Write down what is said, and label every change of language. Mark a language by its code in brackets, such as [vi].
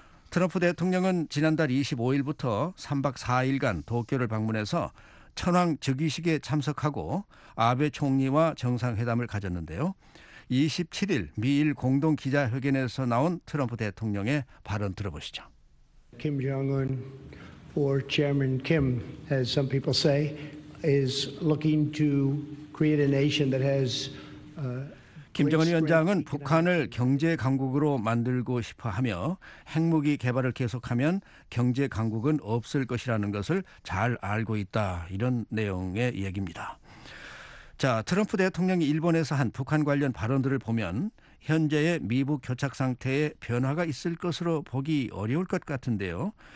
[ko] 트럼프 대통령은 지난달 25일부터 3박 4일간 도쿄를 방문해서 천황 즉위식에 참석하고 아베 총리와 정상회담을 가졌는데요. 27일 미일 공동 기자회견에서 나온 트럼프 대통령의 발언 들어보시죠. [en] Kim Jong-un, or Chairman Kim, as some people say, is looking to create a nation that has. [ko] 김정은 위원장은 북한을 경제 강국으로 만들고 싶어하며 핵무기 개발을 계속하면 경제 강국은 없을 것이라는 것을 잘 알고 있다, 이런 내용의 얘기입니다. 자, 트럼프 대통령이 일본에서 한 북한 관련 발언들을 보면 현재의 미북 교착 상태에 변화가 있을 것으로 보기 어려울 것 같은데요.